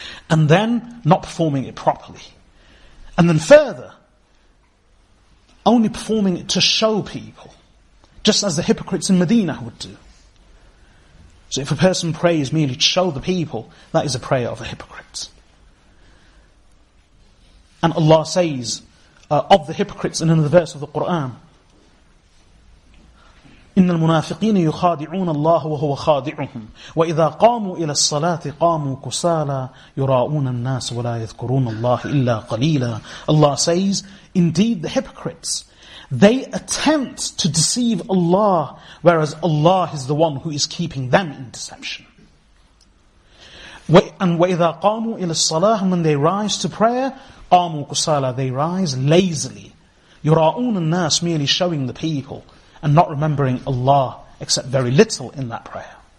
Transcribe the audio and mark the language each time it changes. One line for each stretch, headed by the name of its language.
English: And then not performing it properly. And then further, only performing it to show people, just as the hypocrites in Medina would do. So if a person prays merely to show the people, that is a prayer of a hypocrite.
Arabic: And Allah says of the hypocrites in another verse of the Quran, إن المنافقين يخادعون الله وهو خادعهم وإذا قاموا إلى الصلاة قاموا كسالى يراؤون الناس ولا يذكرون الله إلا قليلا.
English: Allah says, indeed the hypocrites, they attempt to deceive Allah, whereas Allah is the one who is keeping them in deception. And
Arabic: وإذا قاموا إلى الصلاة,
English: when they rise to prayer,
Arabic: قاموا كسالى,
English: they rise lazily,
Arabic: يراؤون الناس,
English: merely showing the people, and not remembering Allah except very little in that prayer.